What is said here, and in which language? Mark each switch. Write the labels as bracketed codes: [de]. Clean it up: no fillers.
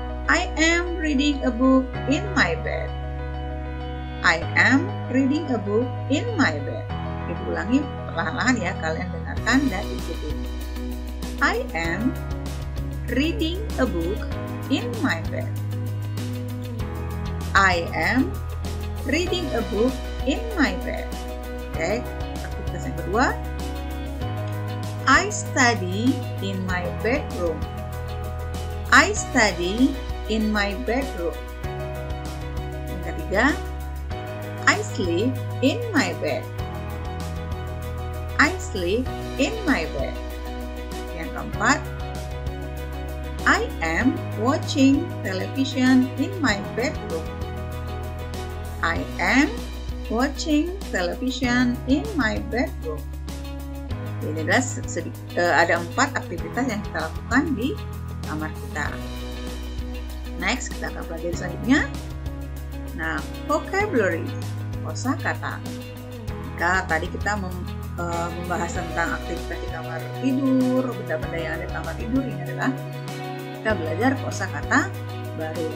[en] I am reading a book in my bed. I am reading a book in my bed. [id] Kita ulangi perlahan-lahan ya, kalian dengarkan dan ikuti. [en] I am reading a book in my bed. I am reading a book in my bed. [id] Oke, aktivitas yang kedua. [en] I study in my bedroom. I study in my bedroom. [id] Yang ketiga, [en] I sleep in my bed. I sleep in my bed. [id] Yang keempat, [en] I am watching television in my bedroom. I am watching television in my bedroom. [id] Ini adalah ada 4 aktivitas yang kita lakukan di kamar kita. Next, kita akan belajar selanjutnya. Nah, vocabulary, kosakata. Jika tadi kita membahas tentang aktivitas di kamar tidur, benda-benda yang ada di kamar tidur, ini adalah kita belajar kosakata baru.